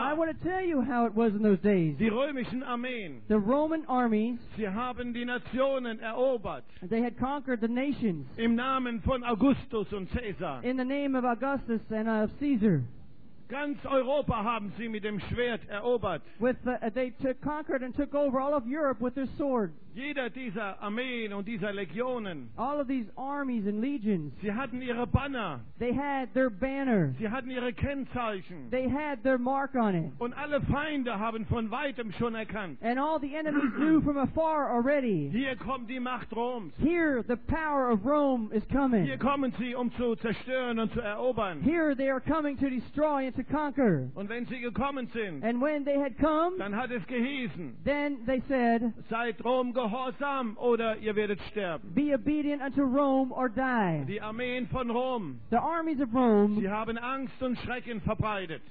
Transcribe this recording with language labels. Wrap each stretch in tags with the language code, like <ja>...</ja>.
<en>I want to tell you how it was in those days.</en> <de>Die römischen Armeen.</de> <en>The Roman armies.</en> <de>Sie haben die Nationen erobert.</de> <en>They had conquered the nations.</en> <de>Im Namen von Augustus und Caesar.</de> <en>In the name of Augustus and of Caesar.</en> <de>Ganz Europa haben sie mit dem Schwert erobert.</de> <en>They conquered and took over all of Europe with their sword.</en> <de>Jeder dieser Armeen und dieser Legionen.</de> <en>All of these armies and legions.</en> <de>Sie hatten ihre Banner.</de> <en>They had their banner.</en> <de>Sie hatten ihre Kennzeichen.</de> <en>They had their mark on it.</en> <de>Und alle Feinde haben von weitem schon erkannt.</de> <en>And all the enemies knew from afar already.</en> <de>Hier kommt die Macht Roms.</de> <en>Here the power of Rome is coming.</en> <de>Hier kommen sie, um zu zerstören und zu erobern.</de> <en>Here they are coming to destroy and to conquer.</en> <de>Und wenn sie gekommen sind.</de> <en>And when they had come.</en> <de>Dann hat es geheißen.</de> <en>Then they said.</en> <de>Seid Rom gehorsam oder ihr werdet sterben.</de> <en>Be obedient unto Rome or die.</en> <de>Die Armeen von Rom.</de> <en>The armies of Rome.</en> <de>Sie haben Angst und Schrecken verbreitet.</de>